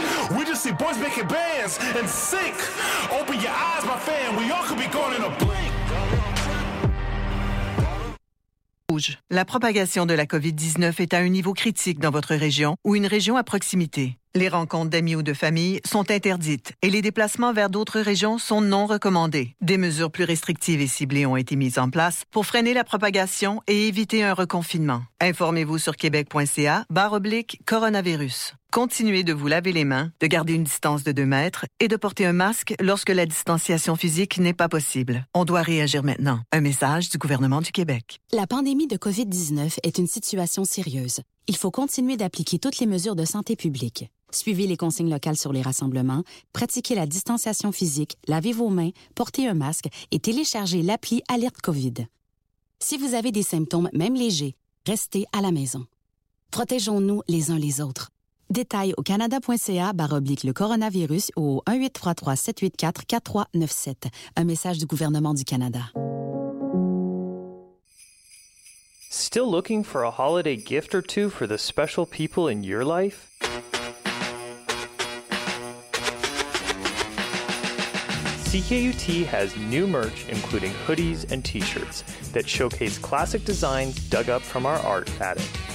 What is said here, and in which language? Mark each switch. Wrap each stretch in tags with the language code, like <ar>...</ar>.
<en>We just see boys making bands and sick. Open your eyes, my fam. We all could be gone in a blink.</en> <fr>La propagation de la COVID-19 est à un niveau critique dans votre région ou une région à proximité. Les rencontres d'amis ou de famille sont interdites et les déplacements vers d'autres régions sont non recommandés. Des mesures plus restrictives et ciblées ont été mises en place pour freiner la propagation et éviter un reconfinement. Informez-vous sur québec.ca/coronavirus. Continuez de vous laver les mains, de garder une distance de 2 mètres et de porter un masque lorsque la distanciation physique n'est pas possible. On doit réagir maintenant. Un message du gouvernement du Québec. La pandémie de COVID-19 est une situation sérieuse. Il faut continuer d'appliquer toutes les mesures de santé publique. Suivez les consignes locales sur les rassemblements, pratiquez la distanciation physique, lavez vos mains, portez un masque et téléchargez l'appli Alerte COVID. Si vous avez des symptômes, même légers, restez à la maison. Protégeons-nous les uns les autres. Détails au canada.ca/le coronavirus ou au 1-833-784-4397. Un message du gouvernement du Canada.</fr> <en>Still looking for a holiday gift or two for the special people in your life? CKUT has new merch, including hoodies and t-shirts, that showcase classic designs dug up from our art attic.</en>